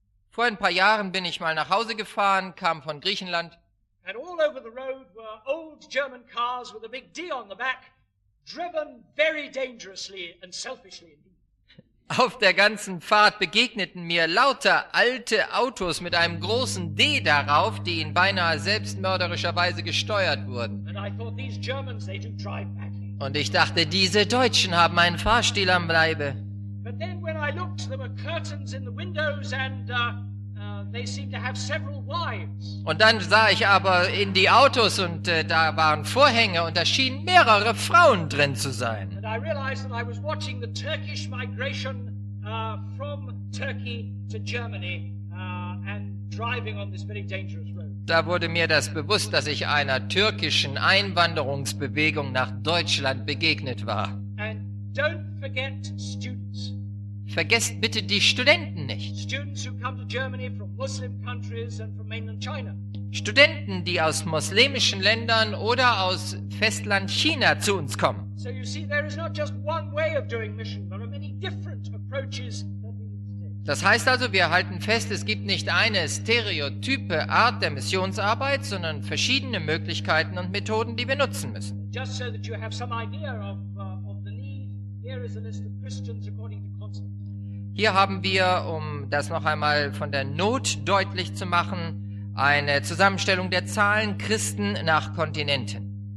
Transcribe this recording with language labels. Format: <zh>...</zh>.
<de>Vor ein paar Jahren bin ich mal nach Hause gefahren, kam von Griechenland.</de> <en>And all over the road were old German cars with a big D on the back, driven very dangerously and selfishly indeed.</en> <de>Auf der ganzen Fahrt begegneten mir lauter alte Autos mit einem großen D darauf, die in beinahe selbstmörderischer Weise gesteuert wurden.</de> <en>And I thought these Germans, they do drive badly.</en> <de>Und ich dachte, diese Deutschen haben einen Fahrstil am Leibe.</de> <en>But then when I looked, there were curtains in the windows and they seemed to have several wives.</en> <de>Und dann sah ich aber in die Autos und da waren Vorhänge und da schienen mehrere Frauen drin zu sein.</de> <en>And I realized that I was watching the Turkish migration from Turkey to Germany and driving on this very dangerous road.</en> <de>Da wurde mir das bewusst, dass ich einer türkischen Einwanderungsbewegung nach Deutschland begegnet war.</de> <en>And don't forget students.</en> <de>Vergesst bitte die Studenten nicht.</de> <en>Students who come to Germany from Muslim countries and from mainland China.</en> <de>Studenten, die aus muslimischen Ländern oder aus Festland China zu uns kommen.</de> <en>So you see, there is not just one way of doing mission. There are many different approaches that we need to take.</en> <de>Das heißt also, wir halten fest, es gibt nicht eine stereotype Art der Missionsarbeit, sondern verschiedene Möglichkeiten und Methoden, die wir nutzen müssen.</de> <en>Just so that you have some idea of the need, here is a list of Christians according to.</en> <de>Hier haben wir, um das noch einmal von der Not deutlich zu machen, eine Zusammenstellung der Zahlen Christen nach Kontinenten.</de>